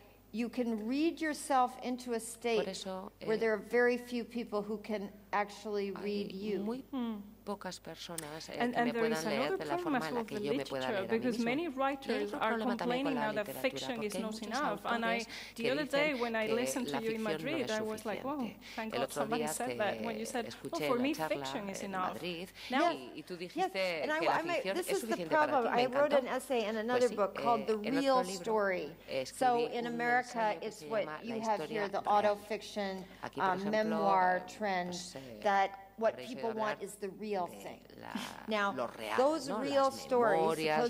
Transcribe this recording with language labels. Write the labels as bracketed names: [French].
[English] You can read yourself into a state where there are very few people who can actually read you. [Spanish] Muy pocas personas que me puedan leer de la forma en la que yo me pueda leer a mí mismo. [English] Many writers are complaining now that fiction is not enough. And I, the other day when I listened to you in Madrid, I was like, wow, thank God somebody said that. When you said, oh, for me fiction is enough. [Spanish] Y tú dijiste que la ficción es suficiente para ti. [English] I wrote an essay in another book called The Real Story. So in America, it's what you have here, the autofiction memoir trend that what people want is the real thing. Now, real, those [Spanish] no, [English] real stories, [Spanish] memorias,